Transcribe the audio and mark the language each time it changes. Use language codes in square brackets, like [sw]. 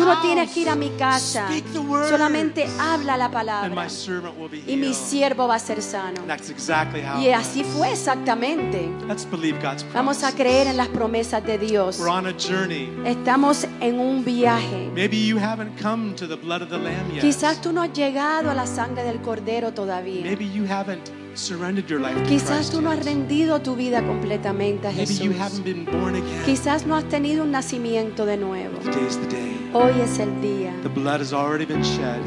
[es] Tú no tienes que ir a mi casa. [en] Speak the word. [es] Solamente habla la palabra. [en] And my servant will be healed. [es] Y mi siervo va a ser sano. [en] That's exactly how. [es] Y así fue exactamente. [en] Let's believe God's promise. [es] Vamos a creer en las promesas de Dios. [en] We're on a journey. [es] Estamos en un viaje. [en] Maybe you haven't come to the blood of the lamb yet. [es] Quizás tú no has llegado a la sangre del cordero todavía. [en] Maybe you haven't surrendered your life to [es] quizás [en] Christ [es] tú no has [en] yet. [es] Rendido tu vida completamente a [en] Maybe [es] Jesús. [en] You haven't been born again. [es] Quizás no has tenido un nacimiento de nuevo. [en] Today is the day. [es] Hoy es el día. [en] The blood has already been shed.